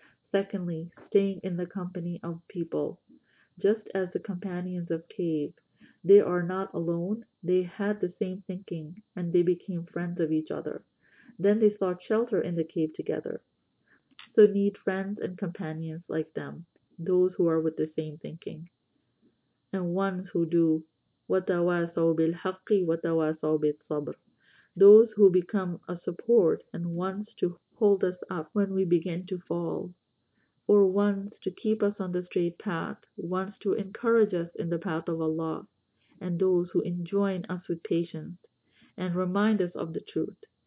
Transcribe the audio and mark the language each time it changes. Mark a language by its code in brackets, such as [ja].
[en] Secondly, staying in the company of people. Just as the companions of Cave, they are not alone, they had the same thinking and they became friends of each other. Then they sought shelter in the cave together. So need friends and companions like them, those who are with the same thinking, and ones who do [ar] وتواصوا بالحق وتواصوا بالصبر. [en] Those who become a support and ones to hold us up when we begin to fall, or ones to keep us on the straight path, ones to encourage us in the path of Allah, and those who enjoin us with patience and remind us of the truth.